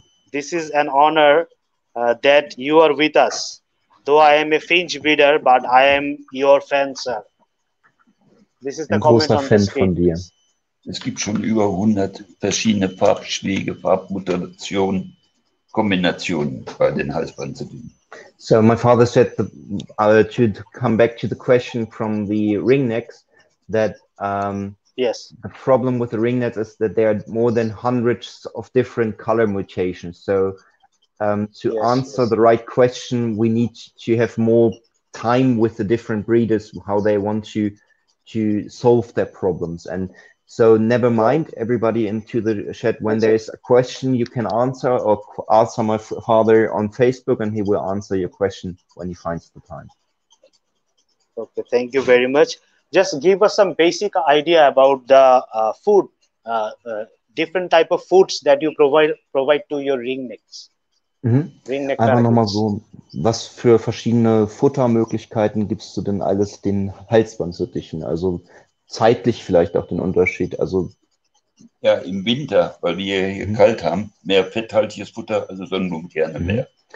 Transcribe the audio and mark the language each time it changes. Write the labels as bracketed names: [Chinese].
[English] This is an honor that you are with us. Though I am a finch breeder, but I am your fan, sir." This is the [German] ein [English] comment on fan the screen. [German] Von dir. Es gibt schon über 100 verschiedene Farbschläge, Farbmutationen, Kombinationen bei den Halsbandsittichen. [English] So my father said to come back to the question from the ringnecks that the problem with the ringnecks is that there are more than hundreds of different color mutations. So to answer the right question, we need to have more time with the different breeders, how they want to solve their problems. And So never mind, everybody into the chat. When there is a question, you can answer or ask my father on Facebook and he will answer your question when he finds the time. Okay, thank you very much. Just give us some basic idea about the food, different type of foods that you provide to your ringnecks. [German] Einfach nochmal so, was für verschiedene Futtermöglichkeiten gibst du denn alles den Halsbandsittichen? Also zeitlich vielleicht auch den Unterschied. Also ja, im Winter, weil wir hier kalt haben, mehr fetthaltiges Futter, also Sonnenblumenkerne mehr.